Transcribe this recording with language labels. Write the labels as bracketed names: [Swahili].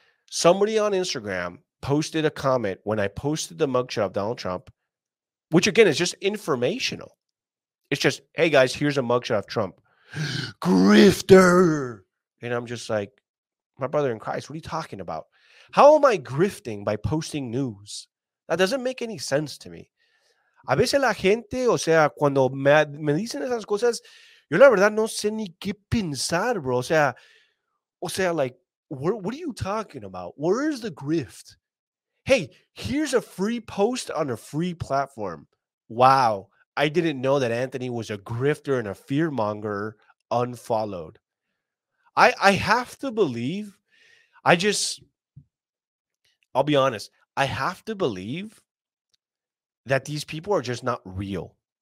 [English] Somebody on Instagram posted a comment when I posted the mugshot of Donald Trump, which again is just informational. It's just, hey guys, here's a mugshot of Trump. Grifter. And I'm just like, my brother in Christ, what are you talking about? How am I grifting by posting news? That doesn't make any sense to me. [Spanish] A veces la gente, o sea, cuando me dicen esas cosas, yo la verdad no sé ni qué pensar, bro. [English] O sea, like, what are you talking about? Where is the grift? Hey, here's a free post on a free platform. Wow, I didn't know that Anthony was a grifter and a fearmonger, unfollowed. I have to believe, I'll be honest, I have to believe that these people are just not real.